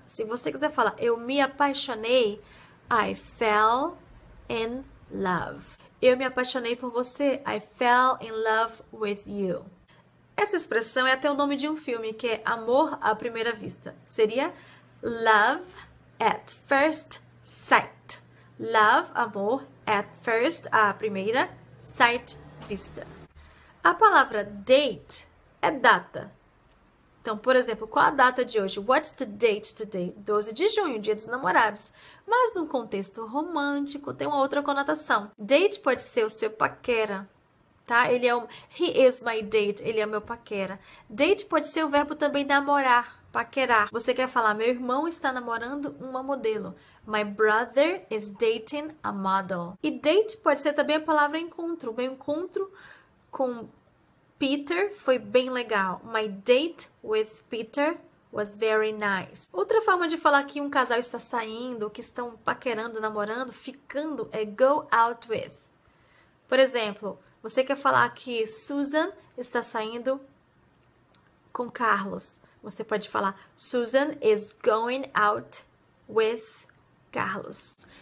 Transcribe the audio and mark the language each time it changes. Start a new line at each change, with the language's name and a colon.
Portuguese: Se você quiser falar eu me apaixonei,
English: I fell in love.
Portuguese: Eu me apaixonei por você,
English: I fell in love with you.
Portuguese: Essa expressão é até o nome de um filme, que é Amor à Primeira Vista.
English: Seria love at first sight. Love, amor, at first, à primeira sight, vista.
Portuguese: A palavra date é data. Então, por exemplo, qual a data de hoje?
English: What's the date today?
Portuguese: 12 de junho, dia dos namorados. Mas num contexto romântico, tem uma outra conotação. Date pode ser o seu paquera, tá?
English: He is my date.
Portuguese: Ele é o meu paquera. Date pode ser o verbo também namorar, paquerar. Você quer falar, meu irmão está namorando uma modelo.
English: My brother is dating a model.
Portuguese: E date pode ser também a palavra encontro. Meu encontro com Peter foi bem legal.
English: My date with Peter was very nice.
Portuguese: Outra forma de falar que um casal está saindo, que estão paquerando, namorando, ficando, é go out with. Por exemplo, você quer falar que Susan está saindo com Carlos. Você pode falar
English: Susan is going out with Carlos.